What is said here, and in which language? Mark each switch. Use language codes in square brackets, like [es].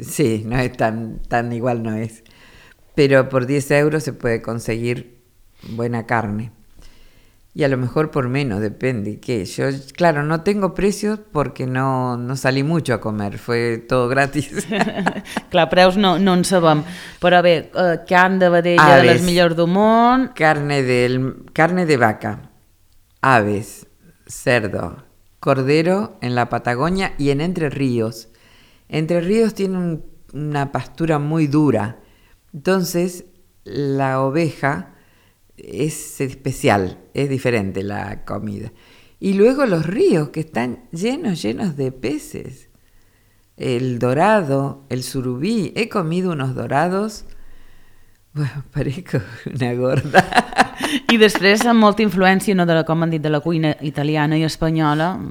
[es] Sí, no es tan igual, no es. Pero por 10 euros se puede conseguir buena carne. Y a lo mejor por menos, depende. ¿Qué? Yo, claro, no tengo precios porque no salí mucho a comer. Fue todo gratis. [ca] Clar, preus no en sabem. Però bé, carn de vedella de les millors del món. [es] Carne de vaca. Aves. Cerdo. Cordero en la Patagonia y en Entre Ríos. Entre Ríos tiene una pastura muy dura, entonces la oveja es especial, es diferente la comida. Y luego los ríos que están llenos, llenos de peces. El dorado, el surubí, he comido unos dorados. Bueno, parezco una gorda. [ca] I després amb molta influència, no, de la, com han dit, de la cuina italiana i espanyola.